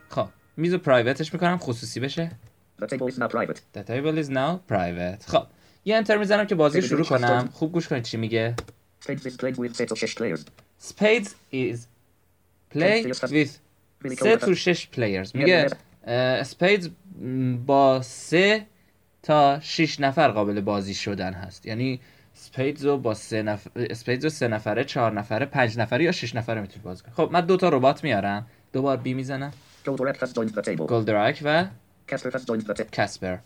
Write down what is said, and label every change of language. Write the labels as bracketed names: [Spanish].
[Persian] خب میزو پرایوتش میکنم خصوصی بشه. [English] The table is now private. The table is now private. [Persian] خب یه enter میزنم که بازی شروع کنم. خوب گوش کنید چی میگه. [English] Spades is played with set of 6 players. Spades is played with set of 6 players. [Persian] میگه spades با 3 تا 6 نفر قابل بازی شدن هست، یعنی سپیدز رو سه نفره، چهار نفره، پنج نفره یا شش نفره میتونی بازی کنی. خب من دوتا ربات میارم، دو بار بی میزنم. گولدرک و کاسپر.